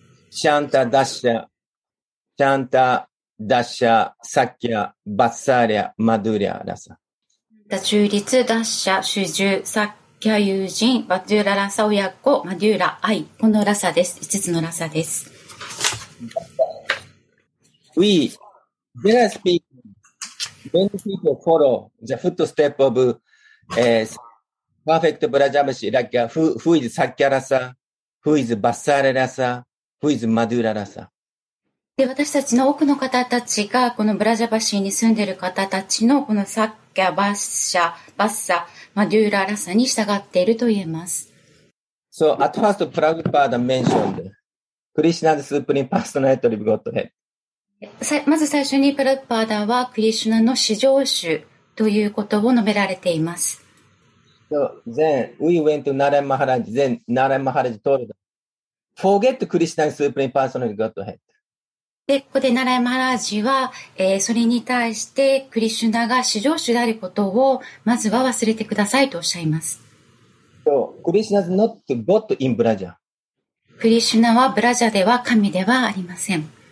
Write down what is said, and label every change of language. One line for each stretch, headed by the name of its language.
Sanskrit: Shanta Dasha, Shanta. ダッシャ、サッキャ、バッサーリャ、マドゥリャ、ラサ。
Japanese: 中立、ダッシャ、主従、サッキャ、友人、バドゥララサ、親子、マドゥラ、愛。このラサです。5つのラサです。
English: We, there are speaking, many people follow the footstep of, perfect Brajabashi, like, who is サッキャラサ、who is バッサーリャラサ、who is マドゥララサ。
Japanese: で私たちの多くの方たちがこのブラジャバシーに住んでいる方たちのこのサッキャ、バッシャ、バッサ、マデューララサに従っていると言えます。
English: So, at first, Prabhupada mentioned Krishna's Supreme Personality of Godhead.
Japanese: まず最初にプラグパーダはクリシュナの至上主ということを述べられています。
English: So, then, we went to Narayan Maharaj, then Narayan Maharaj told us, forget Krishna's Supreme Personality of Godhead.
Japanese: で、ここでナラヤマハラジは、それに対して、クリシュナが至上主であることを、まずは忘れてくださいとおっしゃいます。
English: So, Krishna is not God in Braja.
Japanese: クリシュナはブラジャでは神ではありません。